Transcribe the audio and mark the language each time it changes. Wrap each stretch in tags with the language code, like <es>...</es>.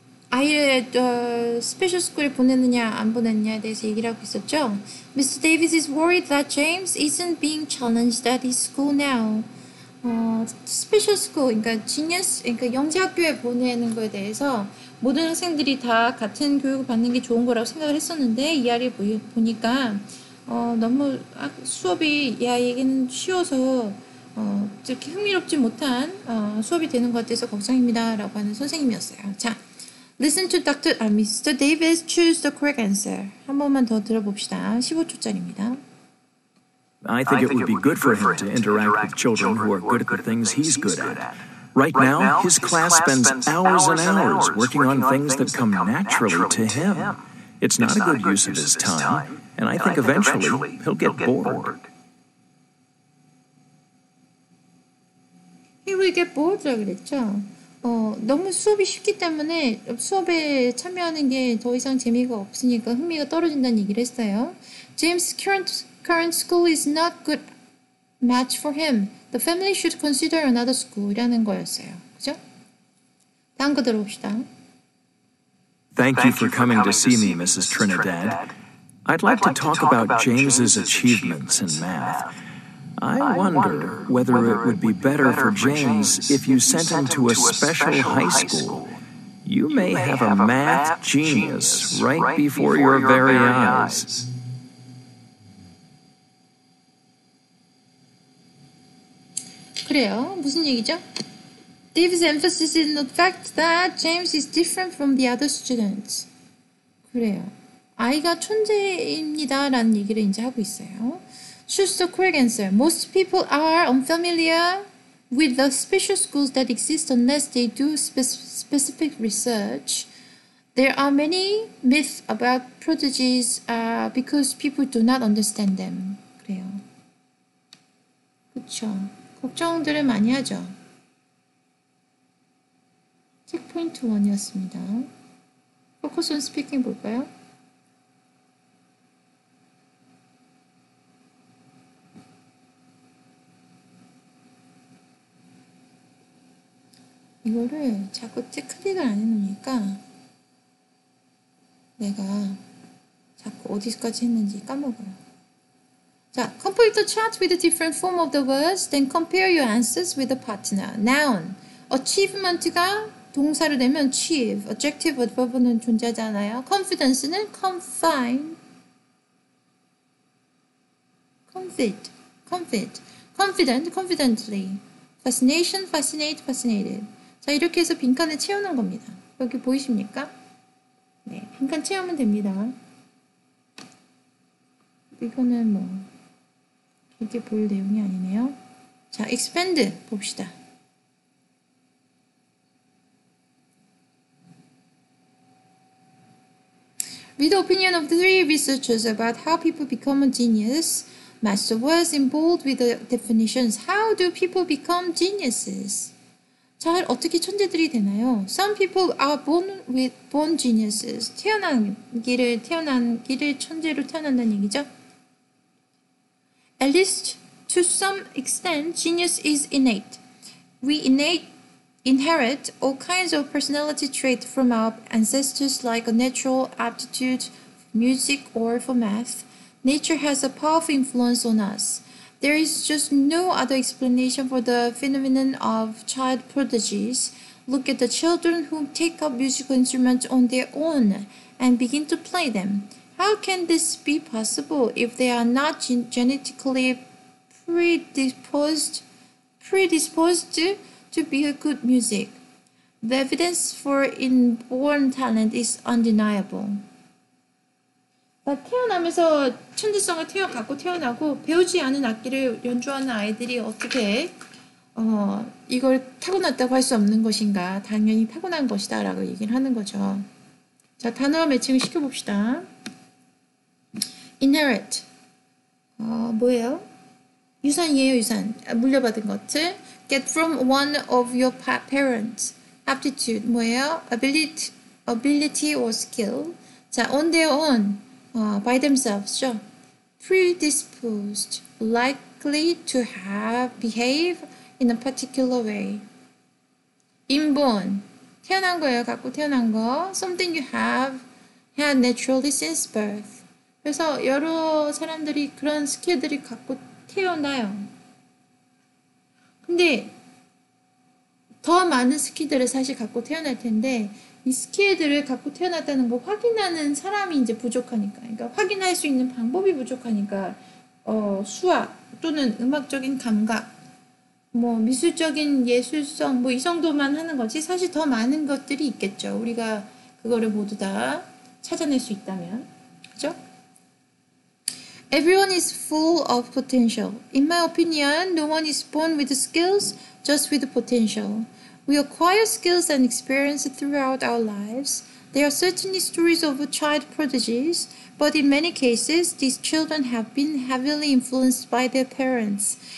<ko>아이를</ko> <en>special school</en> <ko>에 보내느냐 안 보내느냐에 대해서 얘기를 하고 있었죠.</ko> <en>Mr. Davis is worried that James isn't being challenged at his school now. Special school,</en> <ko>그러니까 genius, 그러니까 영재학교에 보내는 거에 대해서 모든 학생들이 다 같은 교육을 받는 게 좋은 거라고 생각을 했었는데 이 아이를 보니까 너무 수업이 이 아이에게는 쉬워서 이렇게 흥미롭지 못한 수업이 되는 것 같아서 걱정입니다 라고 하는 선생님이었어요.</ko> <en>자, listen to Mr. Davis choose the correct answer.</en> <ko>한 번만 더 들어봅시다. 15초짜리입니다.</ko> <en>I think it would be good for him to interact with children who are good at the things he's good at. Right now, his class spends hours and hours working on things that come naturally to him. It's not a good use of his time, and I think eventually he'll get bored. He will get bored,</en> <ko>그랬죠? 너무 수업이 쉽기 때문에 수업에 참여하는 게 더 이상 재미가 없으니까 흥미가 떨어진다는 얘기를 했어요.</ko> <en>James current school is not good match for him. The family should consider another school</en> <ko>이라는 거였어요. 그죠? 다음 거 들어봅시다.</ko> <en>Thank you for coming to see me, Mrs. Trinidad. I'd like to talk about James's achievements in math. I wonder whether it would be better for James if you sent him to a special high school. You may have a math genius right before your very eyes.</en> <ko>그래요. 무슨 얘기죠?</ko> <en>Dave's emphasis is in the fact that James is different from the other students.</en> <ko>그래요. 아이가 천재입니다라는 얘기를 이제 하고 있어요.</ko> <en>Choose the correct answer. Most people are unfamiliar with the special schools that exist unless they do specific research. There are many myths about prodigies because people do not understand them.</en> <ko>그래요. 그렇죠. 걱정들을 많이 하죠. 체크포인트 1이었습니다. 포커스 온 스피킹 볼까요? 이거를 자꾸 클릭을 안 해놓으니까 내가 자꾸 어디까지 했는지 까먹어요.</ko> <en>자, complete the chart with a different form of the words, then compare your answers with the partner. Noun, achievement가</en> <ko>동사로 되면</ko> <en>achieve, adjective, adverb는</en> <ko>존재하잖아요.</ko> <en>Confidence는 confine, confident, confidently, fascination, fascinate, fascinated.</en> <ko>자, 이렇게 해서 빈칸을 채우는 겁니다. 여기 보이십니까? 네, 빈칸 채우면 됩니다. 이거는 뭐 이렇게 보일 내용이 아니네요. 자, expand 봅시다.</ko> <en>'Read the opinion of the three researchers about how people become a genius. Match the words in bold with the definitions. How do people become geniuses?</en> <ko>잘 어떻게 천재들이 되나요?</ko> <en>Some people are born geniuses.</en> <ko>태어난 길을 천재로 태어난다는 얘기죠.</ko> <en>At least to some extent, genius is innate. We inherit all kinds of personality traits from our ancestors, like a natural aptitude for music or for math. Nature has a powerful influence on us. There is just no other explanation for the phenomenon of child prodigies. Look at the children who take up musical instruments on their own and begin to play them. How can this be possible if they are not genetically predisposed to be a good music? The evidence for inborn talent is undeniable.</en> <ko>태어나면서 천재성을 갖고 태어나고 배우지 않은 악기를 연주하는 아이들이 어떻게 이걸 타고났다고 할 수 없는 것인가? 당연히 타고난 것이다 라고 얘기를 하는 거죠. 자, 단어와 매칭을 시켜봅시다. Inherit. 뭐예요? 유산이에요, 유산. 물려받은 것들.</ko> <en>Get from one of your parents. Aptitude.</en> <ko>뭐예요?</ko> <en>Ability or skill. 자, on their own. By themselves죠. Predisposed, likely to behave in a particular way.</en> <ko>Inborn, 태어난 거예요. 갖고 태어난 거.</ko> <en>Something you have had naturally since birth.</en> <ko>그래서 여러 사람들이 그런 스킬들이 갖고 태어나요. 근데 더 많은 스킬들을 사실 갖고 태어날 텐데 이 스킬들을 갖고 태어났다는 거 확인하는 사람이 이제 부족하니까, 그러니까 확인할 수 있는 방법이 부족하니까 수학 또는 음악적인 감각, 뭐 미술적인 예술성 뭐 이 정도만 하는 거지 사실 더 많은 것들이 있겠죠. 우리가 그거를 모두 다 찾아낼 수 있다면, 그렇죠?</ko> <en>Everyone is full of potential. In my opinion, no one is born with skills, just with potential. We acquire skills and experience throughout our lives. There are certainly stories of child prodigies, but in many cases, these children have been heavily influenced by their parents.</en>